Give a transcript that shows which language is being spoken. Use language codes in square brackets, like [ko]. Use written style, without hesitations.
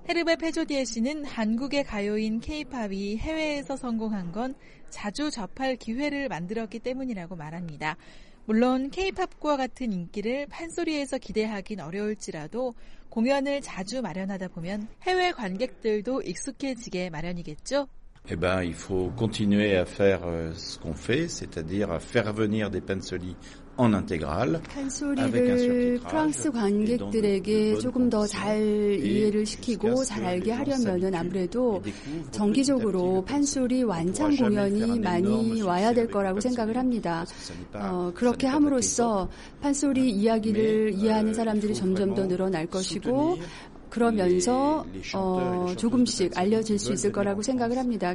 [ko] 헤르베 페조디에 씨는 한국의 가요인 케이팝이 해외에서 성공한 건 자주 접할 기회를 만들었기 때문이라고 말합니다. 물론 K-POP과 같은 인기를 판소리에서 기대하긴 어려울지라도 공연을 자주 마련하다 보면 해외 관객들도 익숙해지게 마련이겠죠? [fr] Eh ben, il faut continuer à faire ce qu'on fait, c'est-à-dire à faire venir des pansori en intégrale. [ko] 판소리를 프랑스 관객들에게 조금 더 잘 이해를 시키고 잘 알게 하려면은 아무래도 정기적으로 판소리 완창 공연이 많이 와야 될 거라고 생각을 합니다. 그렇게 함으로써 판소리 이야기를 이해하는 사람들이 점점 더 늘어날 것이고 그러면서 조금씩 알려질 수 있을 거라고 생각을 합니다.